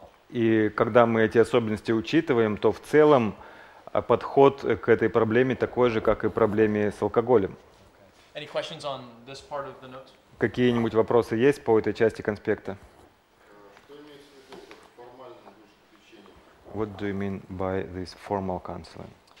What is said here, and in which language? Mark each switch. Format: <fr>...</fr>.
<ru>И когда мы эти особенности учитываем, то в целом подход к этой проблеме такой же, как и проблеме с алкоголем.</ru> <en>Any questions on this part of the notes?</en> <ru>Какие-нибудь вопросы есть по этой части конспекта? Что имеется в виду формальное душепопечение?</ru> <en>What do you mean by this formal counseling?</en>